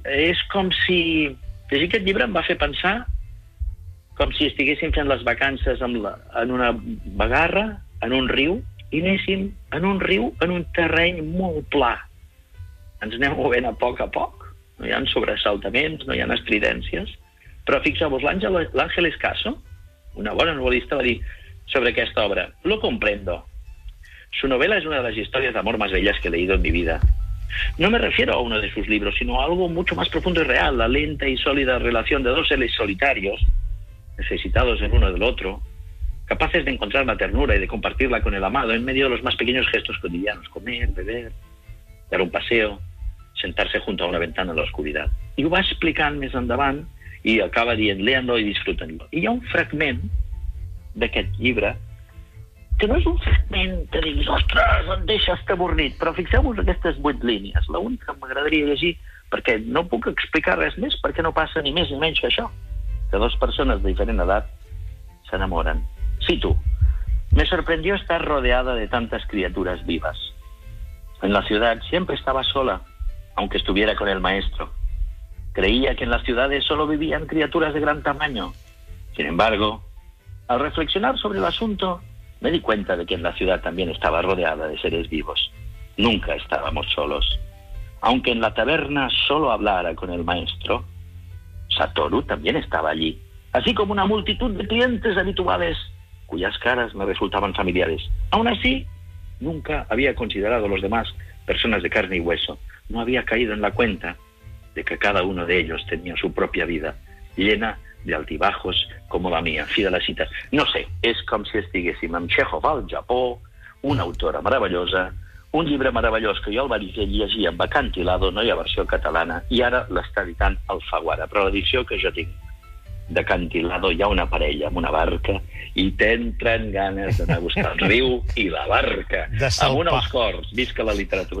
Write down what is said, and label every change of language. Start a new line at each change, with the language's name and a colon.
Catalan: És com si... Llegir aquest llibre em va fer pensar com si estiguéssim fent les vacances en una bagarra, en un riu, i anéssim en un riu, en un terreny molt pla. Ens anem movent a poc, no hi ha sobresaltaments, no hi ha estridències, però fixeu-vos, l'Àngel Escaso, una bona novel·lista, va dir sobre aquesta obra:
Spanish: lo comprendo. Su novela es una de las historias de amor más bellas que he leído en mi vida. No me refiero a uno de sus libros, sino a algo mucho más profundo y real, la lenta y sólida relación de dos seres solitarios, necesitados el uno del otro, capaces de encontrar la ternura y de compartirla con el amado en medio de los más pequeños gestos cotidianos: comer, beber, dar un paseo, sentarse junto a una ventana en la oscuridad.
Catalan: Y va explicant més endavant, i acaba dient,
Spanish: léanlo i disfrútenlo.
Catalan: I hi ha un fragment d'aquest llibre que no és un fragment que diguis, ostres, em deixa estabornit, però fixeu-vos aquestes 8 línies. L'únic que m'agradaria llegir, perquè no puc explicar res més, perquè no passa ni més ni menys que això, que dues persones de diferent edat s'enamoren.
Spanish: Cito: me sorprendió estar rodeada de tantas criaturas vivas. En la ciudad siempre estaba sola, aunque estuviera con el maestro. Creía que en las ciudades solo vivían criaturas de gran tamaño. Sin embargo, al reflexionar sobre el asunto, me di cuenta de que en la ciudad también estaba rodeada de seres vivos. Nunca estábamos solos. Aunque en la taberna solo hablara con el maestro, Satoru también estaba allí, así como una multitud de clientes habituales, cuyas caras me resultaban familiares. Aún así, nunca había considerado a los demás personas de carne y hueso. No había caído en la cuenta de que cada uno de ellos tenía su propia vida, llena de altibajos como la mía.
Catalan: Fi de la cita. No sé, és com si estiguéssim amb Chekhov al Japó, una autora meravellosa, un llibre meravellós que jo el vaig llegir amb Acantilado, no hi ha versió catalana, i ara l'està editant Alfaguara. Però l'edició que jo tinc d'acantilado hi ha una parella amb una barca i t'entren ganes d'anar a buscar el riu i la barca. Amb un als cors, visca la literatura.